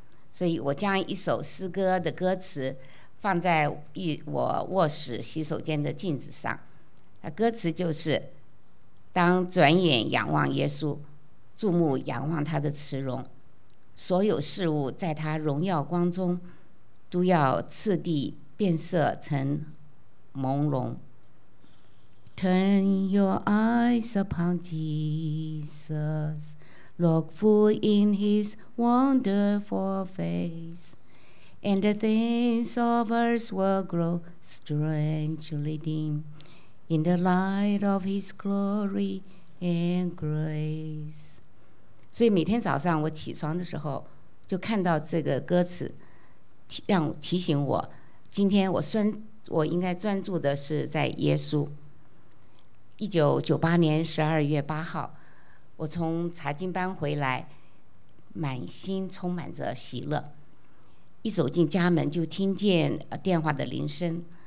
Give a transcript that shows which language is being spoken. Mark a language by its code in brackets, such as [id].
[zh] 所以我将一首诗歌的歌词放在我卧室洗手间的镜子上，歌词就是：当转眼仰望耶稣，注目仰望他的慈容，所有事物在他荣耀光中都要次第变色成朦胧。 [en] Turn your eyes upon Jesus, look full in his wonderful faceAnd the things of earth will grow strangely dim in the light of his glory and grace. [zh] 所以每天早上我起床的时候就看到这个歌词，让提醒我今天我应该专注的是在耶稣。 1998年12月8号，我从查经班回来，满心充满着喜乐，一走进家门就听见电话的铃声。